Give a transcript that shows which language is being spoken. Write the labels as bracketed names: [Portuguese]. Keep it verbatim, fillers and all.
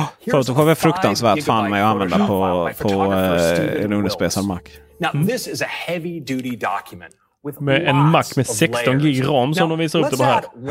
[Swedish] Photoshop är fruktansvärt fan med att använda på, på eh, en underspecad Mac. [English] Now this is a heavy duty document with [Swedish] med en Mac med sexton gig RAM som de visar upp det här.